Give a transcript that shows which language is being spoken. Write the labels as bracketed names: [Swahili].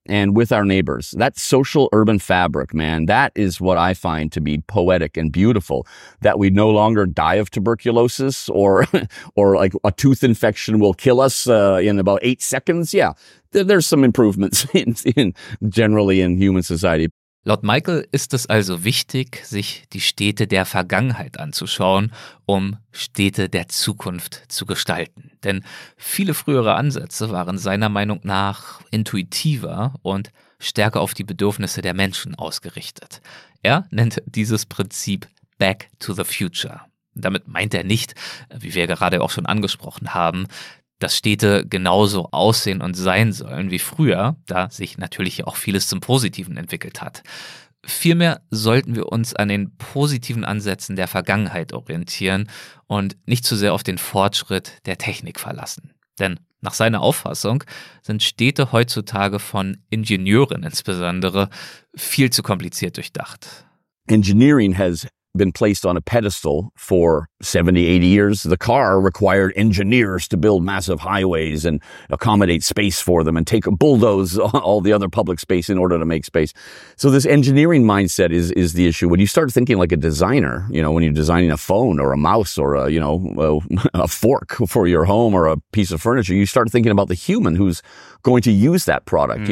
[English] And with our neighbors. That social urban fabric, man, that is what I find to be poetic and beautiful, that we no longer die of tuberculosis or like a tooth infection will kill us in about 8 seconds. Yeah, there's some improvements in generally in human society. [German] Laut Michael ist es also wichtig, sich die Städte der Vergangenheit anzuschauen, um Städte der Zukunft zu gestalten. Denn viele frühere Ansätze waren seiner Meinung nach intuitiver und stärker auf die Bedürfnisse der Menschen ausgerichtet. Er nennt dieses Prinzip Back to the Future. Damit meint er nicht, wie wir gerade auch schon angesprochen haben, dass Städte genauso aussehen und sein sollen wie früher, da sich natürlich auch vieles zum Positiven entwickelt hat. Vielmehr sollten wir uns an den positiven Ansätzen der Vergangenheit orientieren und nicht zu sehr auf den Fortschritt der Technik verlassen. Denn nach seiner Auffassung sind Städte heutzutage von Ingenieuren insbesondere viel zu kompliziert durchdacht. [English] Engineering has been placed on a pedestal for 70, 80 years. The car required engineers to build massive highways and accommodate space for them and take a bulldoze all the other public space in order to make space. So this engineering mindset is the issue. When you start thinking like a designer, you know, when you're designing a phone or a mouse or a fork for your home or a piece of furniture, you start thinking about the human who's going to use that product.